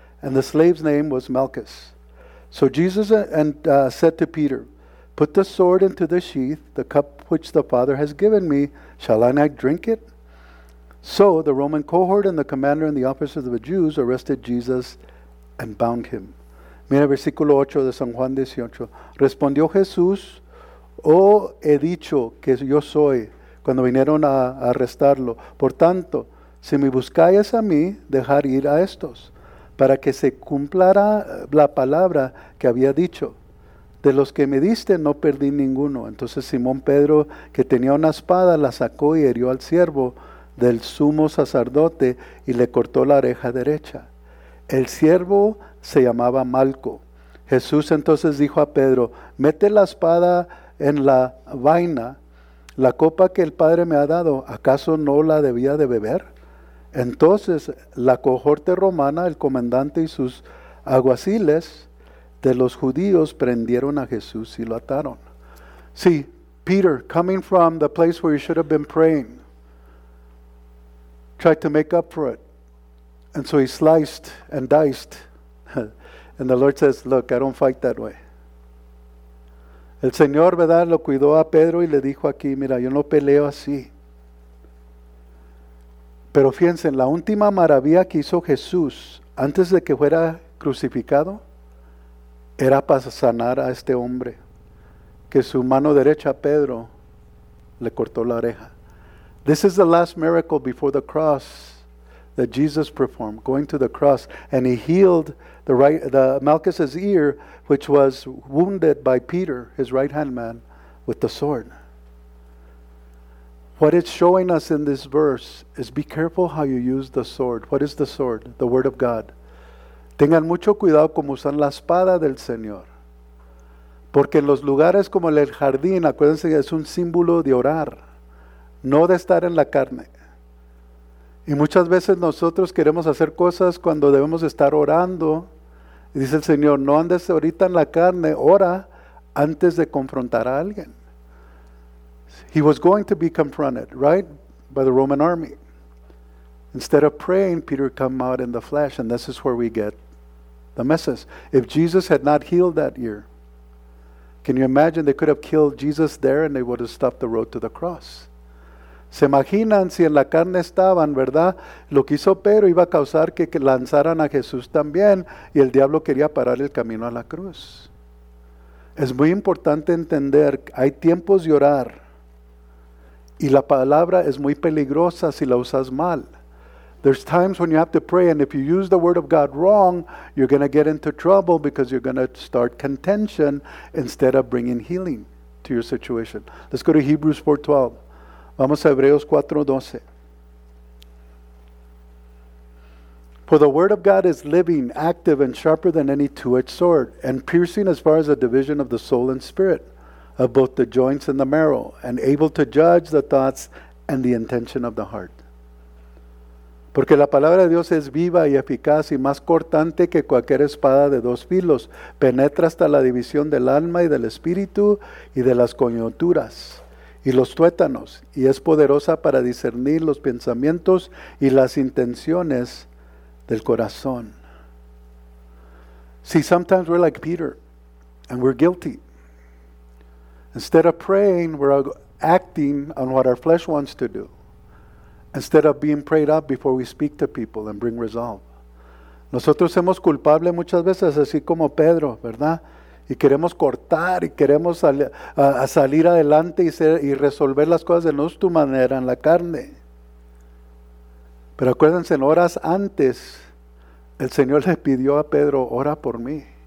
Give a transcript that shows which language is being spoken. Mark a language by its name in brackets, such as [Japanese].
[English] And the slave's name was Malchus. So Jesus said to Peter, put the sword into the sheath, the cup which the Father has given me, shall I not drink it? So the Roman cohort and the commander and the officers of the Jews arrested Jesus and bound him. [Spanish] Mira versículo 8 de San Juan 18. Respondió Jesús, oh, he dicho que yo soy, cuando vinieron a arrestarlo. Por tanto, si me buscáis a mí, dejar ir a estos, para que se cumplara la palabra que había dicho. De los que me diste no perdí ninguno. Entonces Simón Pedro, que tenía una espada, la sacó y hirió al siervo del sumo sacerdote y le cortó la oreja derecha. El siervo se llamaba Malco. Jesús entonces dijo a Pedro, mete la espada en la vaina, la copa que el Padre me ha dado, ¿acaso no la debía de beber? Entonces la cohorte romana, el comandante y sus alguaciles de los judíos prendieron a Jesús y lo ataron. [English] See, Peter, coming from the place where he should have been praying, tried to make up for it. And so he sliced and diced. And the Lord says, look, I don't fight that way. [Spanish] El Señor, ¿verdad?, lo cuidó a Pedro y le dijo aquí, mira, yo no peleo así. Pero fíjense, la última maravilla que hizo Jesús antes de que fuera crucificado era para sanar a este hombre, que su mano derecha, Pedro, le cortó la oreja. [English] This is the last miracle before the cross that Jesus performed, going to the cross, and he healed the Malchus's ear, which was wounded by Peter, his right-hand man, with the sword. What it's showing us in this verse is be careful how you use the sword. What is the sword? The word of God. [Spanish] Tengan mucho cuidado como usan la espada del Señor. Porque en los lugares como el jardín, acuérdense que es un símbolo de orar, no de estar en la carne. Y muchas veces nosotros queremos hacer cosas cuando debemos estar orando. Y dice el Señor, no andes ahorita en la carne, ora antes de confrontar a alguien. [English] He was going to be confronted, right? By the Roman army. Instead of praying, Peter came out in the flesh, and this is where we get the message. If Jesus had not healed that ear, can you imagine they could have killed Jesus there and they would have stopped the road to the cross? [Spanish] Se imaginan si en la carne estaban, ¿verdad? Lo que hizo Pedro iba a causar que lanzaran a Jesús también y el diablo quería parar el camino a la cruz. Es muy importante entender que hay tiempos de orar y la palabra es muy peligrosa si la usas mal. [English] There's times when you have to pray and if you use the word of God wrong, you're going to get into trouble because you're going to start contention instead of bringing healing to your situation. Let's go to Hebrews 4:12. [Spanish] Vamos a Hebreos 4:12. [English] For the word of God is living, active, and sharper than any two-edged sword, and piercing as far as the division of the soul and spirit, of both the joints and the marrow, and able to judge the thoughts and the intention of the heart. [Spanish] Porque la palabra de Dios es viva y eficaz y más cortante que cualquier espada de dos filos. Penetra hasta la división del alma y del espíritu y de las coyunturas y los tuétanos, y es poderosa para discernir los pensamientos y las intenciones del corazón. [English] See, sometimes we're like Peter, and we're guilty. Instead of praying, we're acting on what our flesh wants to do. Instead of being prayed up before we speak to people and bring resolve. [Spanish] Nosotros somos culpables muchas veces, así como Pedro, ¿verdad? Y queremos cortar y queremos salir adelante y resolver las cosas de nuestra manera en la carne. Pero acuérdense, en horas antes, el Señor le pidió a Pedro, ora por mí.